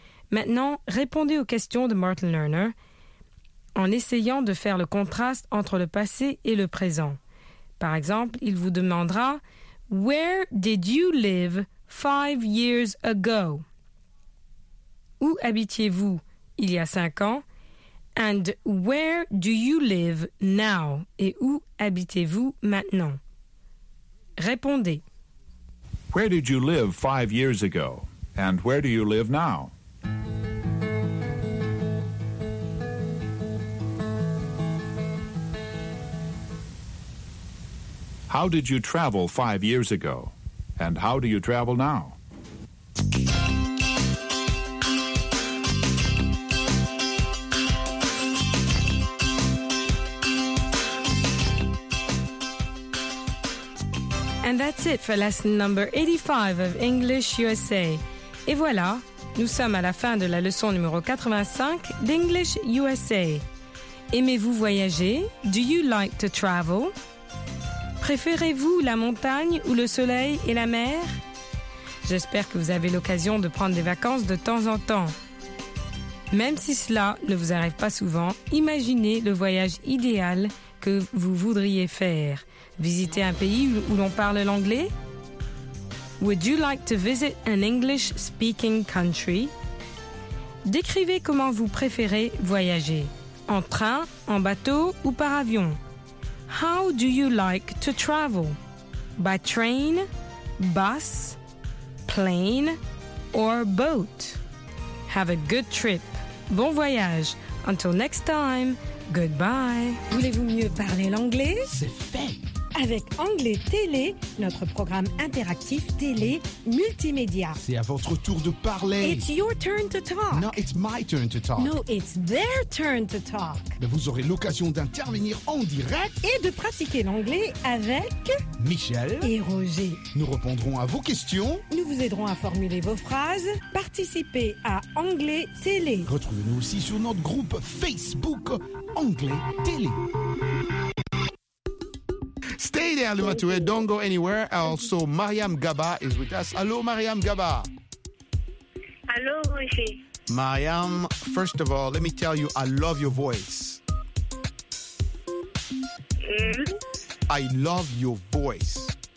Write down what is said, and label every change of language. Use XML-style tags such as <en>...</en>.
<fr>Maintenant, répondez aux questions de Martin Lerner en essayant de faire le contraste entre le passé et le présent. Par exemple, il vous demandera «</fr> <en>Where did you live 5 years ago?</en> <fr>» Où habitiez-vous il y a 5 ans?</fr> <en>And where do you live now?</en> <fr>Et où habitez-vous maintenant? Répondez.</fr> <en>Where did you live 5 years ago? And where do you live now? How did you travel 5 years ago? And how do you travel now? And that's it for lesson number 85 of English USA.</en> <fr>Et voilà, nous sommes à la fin de la leçon numéro 85 d'English USA. Aimez-vous voyager?</fr> <en>Do you like to travel?</en> <fr>Préférez-vous la montagne ou le soleil et la mer? J'espère que vous avez l'occasion de prendre des vacances de temps en temps. Même si cela ne vous arrive pas souvent, imaginez le voyage idéal que vous voudriez faire. Visiter un pays où l'on parle l'anglais?</fr> <en>Would you like to visit an English-speaking country?</en> <fr>Décrivez comment vous préférez voyager. En train, en bateau ou par avion?</fr> <en>How do you like to travel? By train, bus, plane, or boat. Have a good trip.</en> <fr>Bon voyage.</fr> <en>Until next time, goodbye.</en> <fr>Voulez-vous mieux parler l'anglais? C'est fait. Avec Anglais Télé, notre programme interactif télé multimédia. C'est à votre tour de parler.</fr> <en>It's your turn to talk. No, it's my turn to talk. No, it's their turn to talk.</en> <fr>Mais vous aurez l'occasion d'intervenir en direct. Et de pratiquer l'anglais avec... Michel. Et Roger. Nous répondrons à vos questions. Nous vous aiderons à formuler vos phrases. Participez à Anglais Télé. Retrouvez-nous aussi sur notre groupe Facebook Anglais Télé.</fr> <en>Stay there, Lumatue. Don't go anywhere. Also, Mariam Gaba is with us. Hello, Mariam Gaba. Hello, Roger. Mariam, first of all, let me tell you, I love your voice. I love your voice.</en>